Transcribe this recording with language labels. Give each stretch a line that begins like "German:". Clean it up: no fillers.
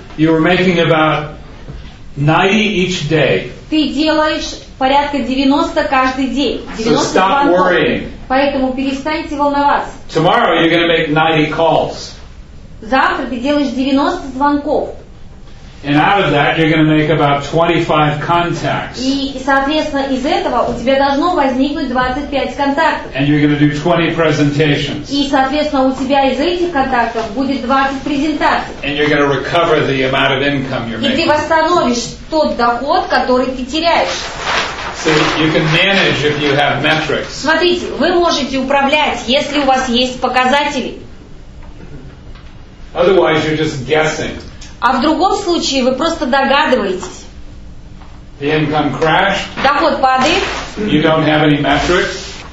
English: You were making about 90 each day.
Russian: ты делаешь порядка 90 каждый день.
English: 90 so stop worrying.
Russian: Поэтому перестаньте волноваться.
English: Tomorrow you're going to make 90 calls.
Russian: Завтра ты делаешь 90 звонков.
English: And out of that you're going to make about 25 contacts.
Russian: И соответственно из этого у тебя должно возникнуть 25 контактов.
English: And you're going to do 20 presentations.
Russian: И соответственно у тебя из этих контактов будет 20 презентаций.
English: And you're going to recover the amount of income you're making.
Russian: И ты восстановишь тот доход, который ты теряешь.
English: So you can manage if you have metrics.
Russian: Смотрите, вы можете управлять, если у вас есть показатели.
English: Otherwise you're just guessing.
Russian: А в другом случае вы просто догадываетесь.
English: The income crashed.
Russian: Доход падает.
English: You don't have any metrics.